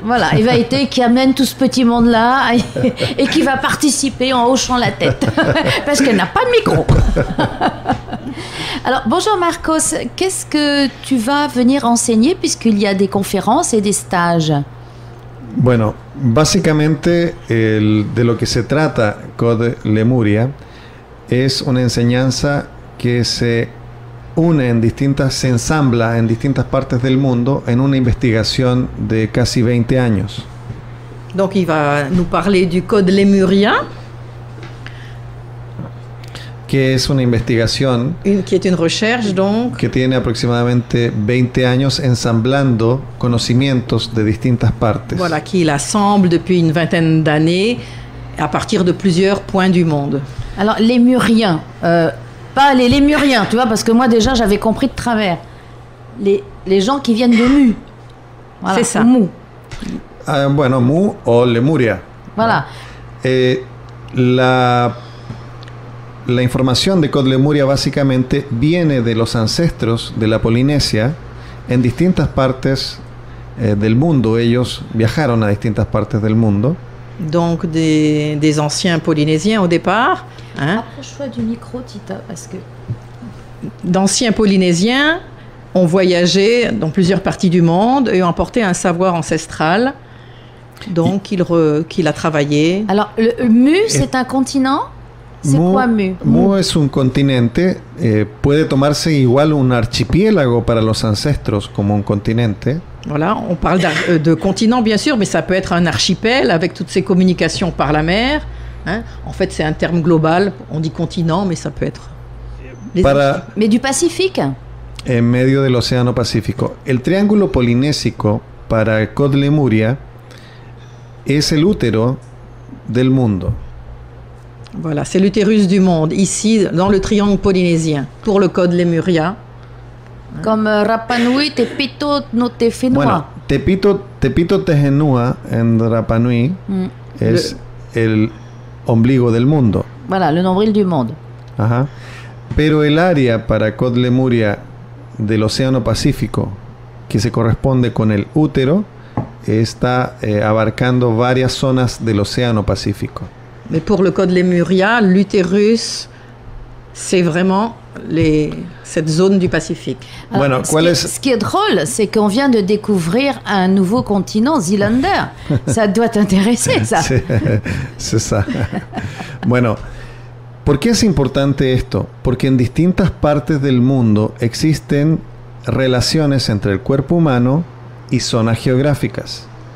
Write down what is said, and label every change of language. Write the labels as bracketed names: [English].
[French] Voilà, il va être qui amène tout ce petit monde-là et qui va participer en hochant la tête parce qu'elle n'a pas de micro. Alors, bonjour Marcos, qu'est-ce que tu vas venir enseigner puisqu'il y a des conférences et des stages? [Spanish] Bueno, básicamente, de lo que se trata Code Lemuria es una enseñanza que se une en distintas, se ensambla en distintas partes del mundo en una investigación de casi 20 años. [French] Donc il va nous parler du Code Lemurien. [Spanish] Que es una investigación. [French] Qui est une recherche, donc. [Spanish] Que tiene aproximadamente 20 años ensamblando conocimientos de distintas partes. [French] Voilà, qui l'assemble depuis une vingtaine d'années à partir de plusieurs points du monde. Alors, Lemurien. Pas les Lémuriens, tu vois, parce que moi déjà j'avais compris de travers. Les gens qui viennent de Mu. Voilà. C'est ça. Mu. [Spanish] Bueno, Mu o Lemuria. [French] Voilà. [Spanish] La información de Code Lemuria básicamente viene de los ancestros de la Polinesia en distintas partes del mundo. Ellos viajaron a distintas partes del mundo. [French] Donc des anciens polynésiens au départ. Hein? Approche-toi du micro, Tita, parce que... D'anciens polynésiens ont voyagé dans plusieurs parties du monde et ont apporté un savoir ancestral, donc qu'il a travaillé. Alors, le Mu, c'est un continent? C'est quoi Mu? [Spanish] Mu es un continente, puede tomarse igual un archipiélago para los ancestros como un continente. [French] Voilà, on parle de continent bien sûr, mais ça peut être un archipel avec toutes ses communications par la mer. Hein? En fait, c'est un terme global, on dit continent, mais ça peut être... Mais du Pacifique? [Spanish] En medio del océano Pacífico. El triángulo polinésico para Code Lemuria es el útero del mundo. [French] Voilà, c'est l'utérus du monde, ici, dans le triangle polynésien, pour le Code Lemuria. Comme Rapa Nui, Tepito, no Tefenua. [Spanish] Bueno, Tepito Tehenua en Rapa Nui es el ombligo del mundo. [French] Voilà, le nombril du monde. Ajá. [Spanish] Pero el área para Code Lemuria del Océano Pacífico, que se corresponde con el útero, está abarcando varias zonas del Océano Pacífico. [French] Mais pour le Code Lemuria, l'utérus, c'est vraiment cette zone du Pacifique. Alors, bueno, ce qui est drôle, c'est qu'on vient de découvrir un nouveau continent, Zealander. Ça doit t'intéresser, ça. C'est ça. [Spanish] Bueno, ¿por qué es importante esto? Porque en distintas partes del mundo existen relaciones entre el cuerpo humano y zonas geográficas.